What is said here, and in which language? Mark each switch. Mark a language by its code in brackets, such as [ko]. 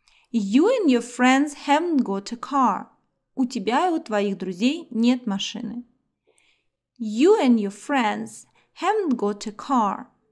[en] You and your friends haven't got a car. [ru] У тебя и у твоих друзей нет машины. [en] You and your friends haven't got a car.